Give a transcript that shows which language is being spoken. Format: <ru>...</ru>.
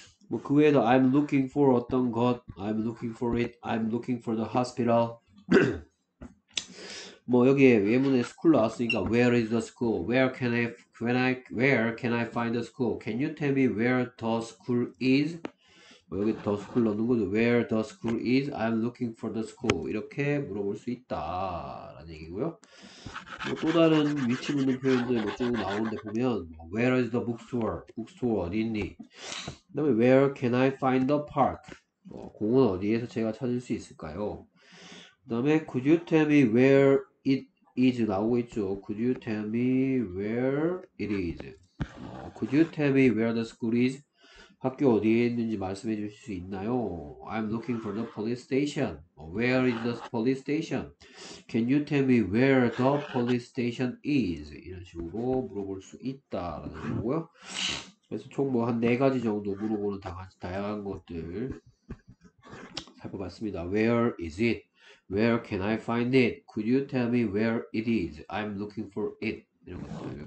<ko>뭐그 외에도</ko> <en>I'm looking for 어떤 것, I'm looking for it, I'm looking for the hospital.</en> <ko>뭐 여기에 예문에</ko> <en>school</en> <ko>나왔으니까</ko> <en>where is the school, where can I find the school, can you tell me where the school is?</en> <ko>뭐 여기 더 스쿨 넣는 거죠.</ko> <en>Where the school is? I'm looking for the school.</en> <ko>이렇게 물어볼 수 있다라는 얘기고요. 뭐또 다른 위치 묻는 표현들 뭐쭉 나오는데 보면</ko> <en>Where is the bookstore? Bookstore</en> <ko>어디 있니? 그다음에</ko> <en>Where can I find the park?</en> <ko>뭐 공원 어디에서 제가 찾을 수 있을까요? 그다음에</ko> <en>Could you tell me where it is?</en> <ko>나오고 있죠.</ko> <en>Could you tell me where it is? Could you tell me where the school is?</en> <ko>학교 어디에 있는지 말씀해 주실 수 있나요?</ko> <en>I'm looking for the police station. Where is the police station? Can you tell me where the police station is?</en> <ko>이런 식으로 물어볼 수 있다라는 거고요. 그래서 총뭐한네 가지 정도 물어보는 다양한 것들 살펴봤습니다.</ko> <en>Where is it? Where can I find it? Could you tell me where it is? I'm looking for it.</en> <ko>이런 것들.</ko>